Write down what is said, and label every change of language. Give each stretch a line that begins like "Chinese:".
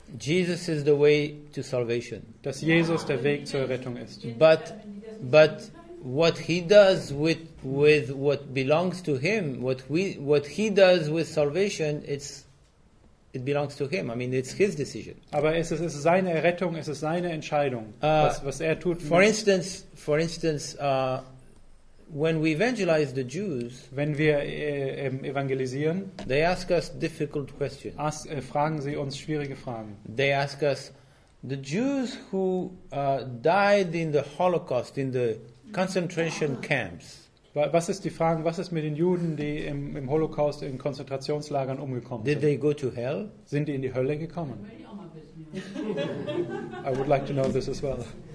English: Jesus is the way to salvation.
German: Dass Jesus der Weg zur Errettung ist.
English: But what he does with what belongs to him, what he does with salvation, it belongs to him. I mean, it's his decision.
German: Aber es ist seine Errettung, es ist seine Entscheidung, was er tut.
English: For instance, when we evangelize the Jews,
German: wenn wir evangelisieren,
English: they ask us difficult questions.
German: Fragen sie uns schwierige Fragen.
English: They ask us, the Jews who died in the Holocaust, in the concentration camps.
German: Was ist die Frage? Was ist mit den Juden, die im Holocaust in Konzentrationslagern umgekommen sind?
English: Did they go to hell?
German: Sind die in die Hölle gekommen?
English: I would like to know this as well.